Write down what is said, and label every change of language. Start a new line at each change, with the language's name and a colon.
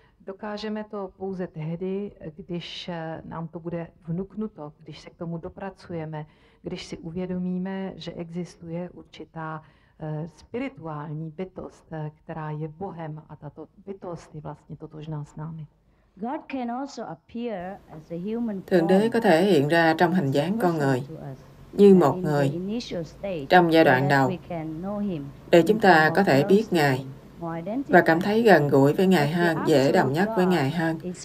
Czech: Dokážeme to pouze tehdy, když nám to bude vnuknuto, když se k tomu dopracujeme, když si uvědomíme, že existuje určitá spirituální bytost, která je Bohem, a tato bytost je vlastně totožná s námi.
English: God can also appear as a human form.
Vietnamese: Thượng Đế có thể hiện ra trong hình dáng con người, như một người trong giai đoạn đầu, để chúng ta có thể biết Ngài và cảm thấy gần gũi với Ngài hơn, dễ đồng nhất với Ngài hơn.